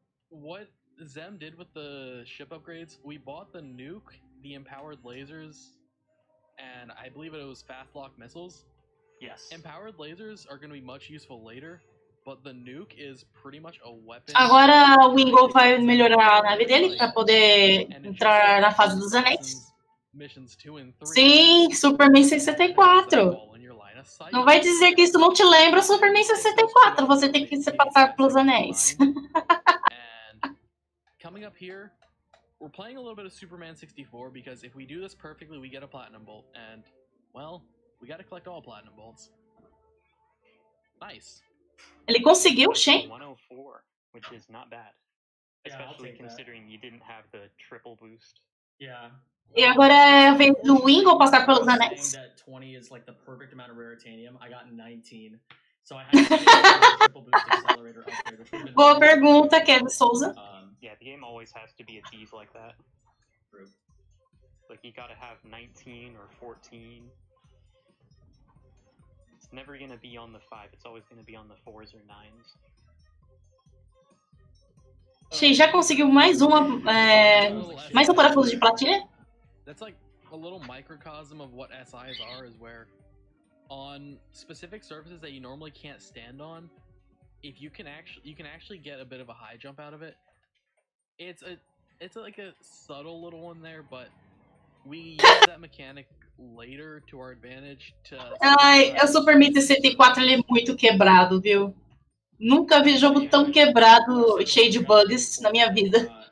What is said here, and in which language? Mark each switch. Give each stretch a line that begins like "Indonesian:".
English: What Zem did with the ship upgrades, we bought the nuke, the empowered lasers, and I believe it was fastlock missiles. Yes. Empowered lasers are going to be much useful later, but the nuke is pretty much a weapon.
Portuguese: Agora o Wingo vai melhorar a nave dele para poder entrar na fase dos anéis.
English: Missions 2 and 3.
Portuguese: Sim, Superman 64. Não vai dizer que isso não te lembra Superman 64. Você tem que se passar pelos anéis.
English: Coming up here, we're playing a little bit of Superman 64 because if we do this perfectly, we get a platinum bolt and well, we got to collect all platinum bolts. Nice.
Portuguese: Ele conseguiu, Shane?
English: 104, which is not bad. Especially considering you didn't have the triple boost. Yeah.
Portuguese: E agora é a vez do Wingo passar pelos anéis.
English: Twenty is like the perfect amount of raritanium. I got 19, so I had
Portuguese: to. Boa pergunta, Kevin Souza.
English: Yeah, the game always has to be a tease like that. Like you gotta have 19 or 14. It's never gonna be on the 5. It's always gonna be on the 4s or 9s.
Portuguese: Xê, já conseguiu mais uma mais um parafuso de platina?
English: That's like a little microcosm of what SIs are, is where on specific surfaces that you normally can't stand on, if you can actually get a bit of a high jump out of it. It's like a subtle little one there, but we use that mechanic later to our advantage to
Portuguese: Ai, o Superman 64 ele é muito quebrado, viu? Nunca vi jogo tão quebrado, cheio de bugs na minha vida.